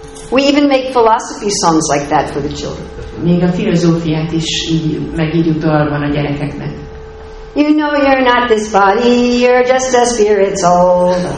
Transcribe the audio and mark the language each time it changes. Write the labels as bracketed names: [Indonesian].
[English] We even make philosophy songs like that for the children. [Hungarian] Még a filozófiát is megírjuk dalban a gyerekeknek. [English] You know you're not this body, you're just a spirit soul.